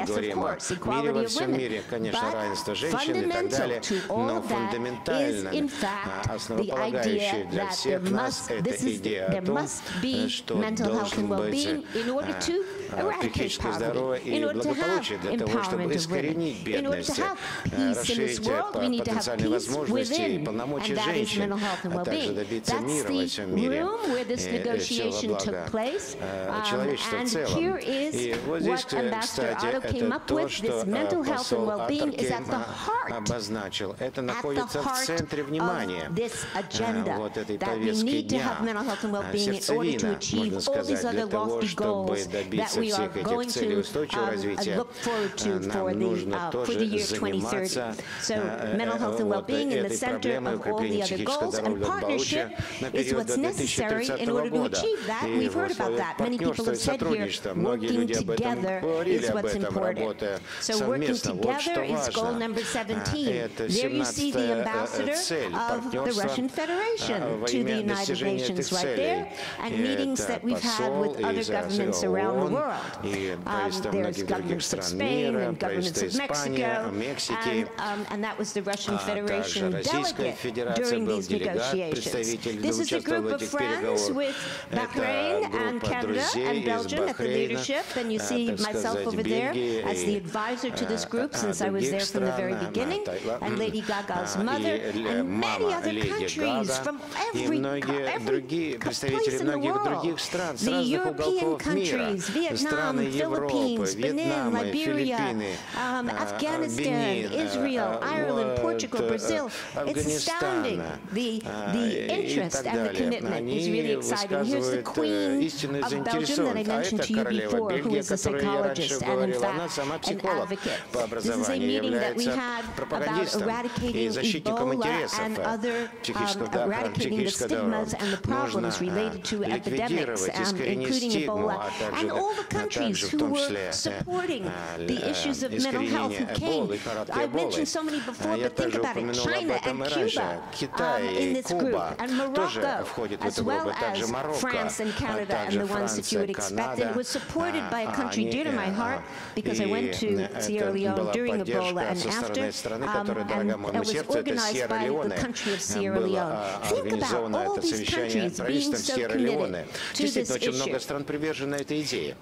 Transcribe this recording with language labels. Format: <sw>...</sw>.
<en>Yes, of course, equality of women. But fundamental to all of that is, in fact, the idea that there must be mental health and well-being in order to eradicate poverty, in order to have empowerment of women, in order to have peace in this world. We need to have peace within, and that is mental health and well-being. That's the room where this negotiation took place, and here is what Ambassador Otto came up with. This mental health and well-being is at the heart</en> <ru>обозначил, это находится в центре внимания вот этой повестки дня, сердцевина, можно сказать, для того, чтобы добиться всех этих целей устойчивого развития, нам нужно тоже заниматься этой проблемой укрепления психического здоровья благополучия на период до 2030 года. И в условиях партнерства и сотрудничества многие люди об этом говорили, об этом работая совместно. Вот что важно. Это 17-я цель партнерства во имя достижения этих целей. И это посол Израиля ООН и правительство многих других стран мира, правительство Испании, Мексики, а также Российская Федерация был делегат, представитель, участвовал в этих переговорах.</ru> <en>And Canada and Belgium at the leadership, and you see myself over there as the advisor to this group since I was there from the very beginning, and Lady Gaga's mother, and many other countries from every place in the world, the European countries, Vietnam, Philippines, Benin, Liberia, Afghanistan, Israel, Ireland, Portugal, Brazil. It's astounding. The interest and the commitment is really exciting. Here's the Queen</en> <ru>истинную заинтересованность. А это королева Бельгии, о которой я раньше говорил. Она сама психолог по образованию, является пропагандистом и защитником интересов психического здоровья. Психического здоровья. Нужно ликвидировать, искоренить стигму, а также в том числе искоренение Эболы, характер Эболы. Я также упомянул об этом и раньше. Китай и Куба тоже входят в эту группу, также Марокко,</ru> <en>and the ones that you would expect. It was supported by a country dear to my heart because I went to Sierra Leone during Ebola and after, and it was organized by the country of Sierra Leone. Think about all these countries being so committed to this issue.</en>